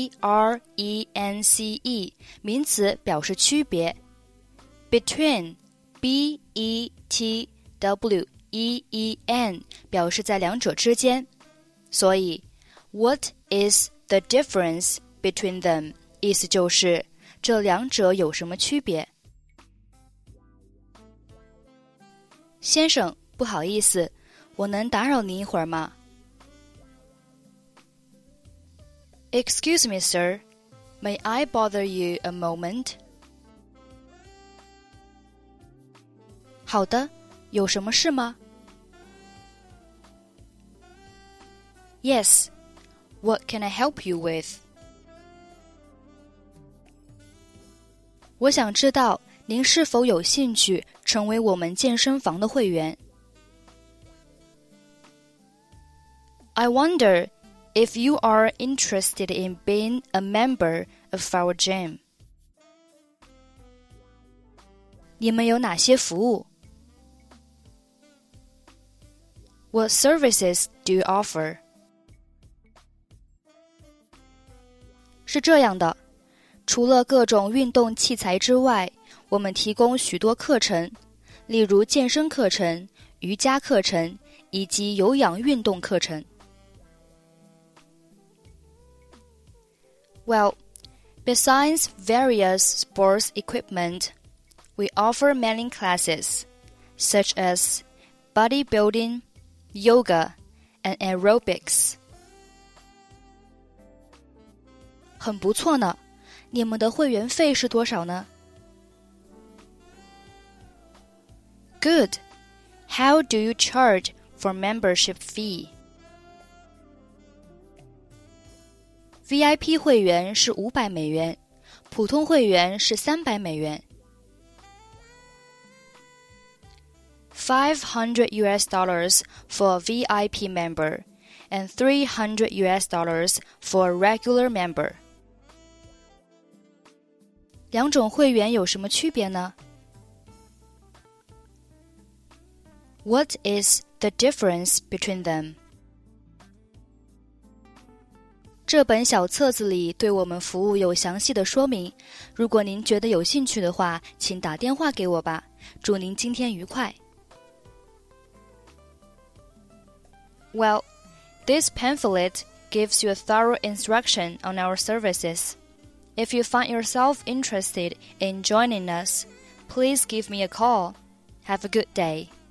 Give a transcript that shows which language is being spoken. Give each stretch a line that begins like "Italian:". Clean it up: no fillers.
Chinese: D-I-F-F-E-R-E-N-C-E 名词表示区别 Between B-E-T-W-E-E-N 表示在两者之间所以
English: What is the difference between them?
Chinese: 意思就是这两者有什么区别先生不好意思我能打扰您一会儿吗
English: Excuse me, sir. May I bother you a moment?
Chinese: 好的，有什么事吗
English: Yes. What can I help you with?
Chinese: 我想知道您是否有兴趣成为我们健身房的会员。
English: I wonder... If you are interested in being a member of our gym.
Chinese: 你们有哪些服务?
English: What services do you offer?
Chinese: 是这样的,除了各种运动器材之外,我们提供许多课程,例如健身课程、瑜伽课程以及有氧运动课程。
English: Well, besides various sports equipment, we offer many classes, such as bodybuilding, yoga, and aerobics.
Chinese: 很不错呢，你们的会员费是多少呢
English: ？Good. How do you charge for membership fee?
Chinese: VIP 会员是500美元,普通会员是300美元。
English: $500 for a VIP member and $300 for a regular member.
Chinese: 两种会员有什么区别呢?
English: What is the difference between them?
Chinese: 这本小册子里对我们服务有详细的说明。如果您觉得有兴趣的话，请打电话给我吧。祝您今天愉快。
English: Well, this pamphlet gives you a thorough instruction on our services. If you find yourself interested in joining us, please give me a call. Have a good day.